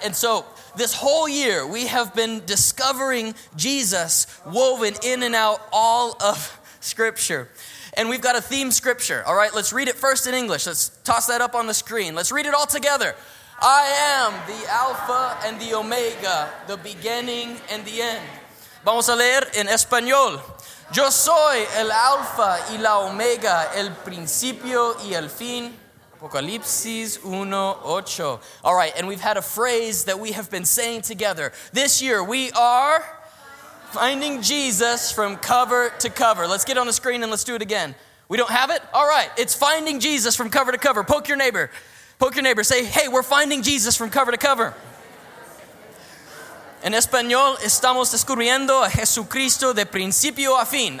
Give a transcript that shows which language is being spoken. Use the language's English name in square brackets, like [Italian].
[English] And so this whole year, we have been discovering Jesus woven in and out all of Scripture. And we've got a theme scripture. All right, let's read it first in English. Let's toss that up on the screen. Let's read it all together. I am the Alpha and the Omega, the beginning and the end. [Spanish] Vamos a leer en español. Yo soy el Alfa y la Omega, el principio y el fin. Apocalipsis 1:8. [English] All right, and we've had a phrase that we have been saying together. This year we are finding Jesus from cover to cover. Let's get on the screen and let's do it again. We don't have it? All right, it's finding Jesus from cover to cover. Poke your neighbor. Poke your neighbor. Say, hey, we're finding Jesus from cover to cover. [Spanish] En español, estamos descubriendo a Jesucristo de principio a fin.